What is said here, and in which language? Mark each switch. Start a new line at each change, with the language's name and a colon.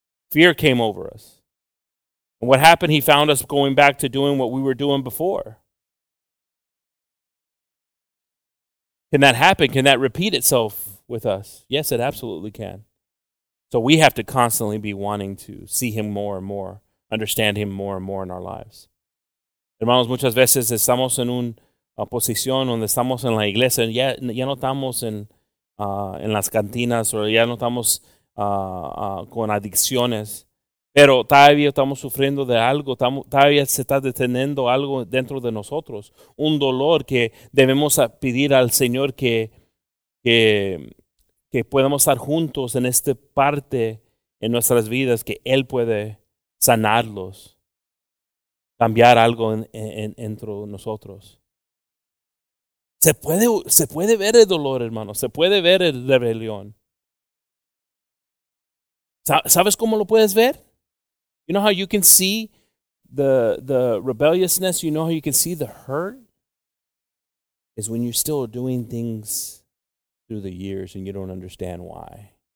English: Fear came over us. And what happened? He found us going back to doing what we were doing before. Can that happen? Can that repeat itself with us? Yes, it absolutely can. So we have to constantly be wanting to see him more and more, understand him more and more in our lives.
Spanish: Hermanos, muchas veces estamos en una posición donde estamos en la iglesia y ya no estamos en las cantinas o ya no estamos con adicciones. Pero todavía estamos sufriendo de algo, todavía se está deteniendo algo dentro de nosotros, un dolor que debemos pedir al Señor que podamos estar juntos en esta parte en nuestras vidas, que Él puede sanarlos, cambiar algo dentro de nosotros. Se puede ver el dolor, hermano, se puede ver la rebelión. ¿Sabes cómo lo puedes ver?
English: You know how you can see the rebelliousness? You know how you can see the hurt? Is when you're still doing things through the years and you don't understand why.